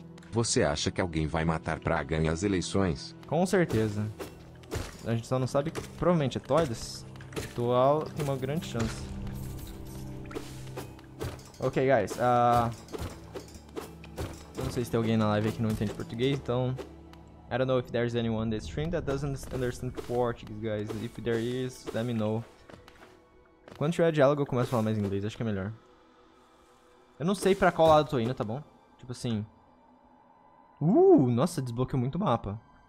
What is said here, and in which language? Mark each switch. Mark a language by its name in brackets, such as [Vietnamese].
[Portuguese] Você acha que alguém vai matar pra ganhar as eleições? Com certeza. A gente só não sabe... Provavelmente é Toidus. Atual tem uma grande chance. Ok, guys, não sei se tem alguém na live que não entende português, então... [English] I don't know if there's anyone in the stream that doesn't understand Portuguese, guys. If there is, let me know. [Portuguese] Quando tiver diálogo, eu começo a falar mais inglês, acho que é melhor. Eu não sei pra qual lado eu tô indo, tá bom? Tipo assim... Nossa, desbloqueou muito o mapa.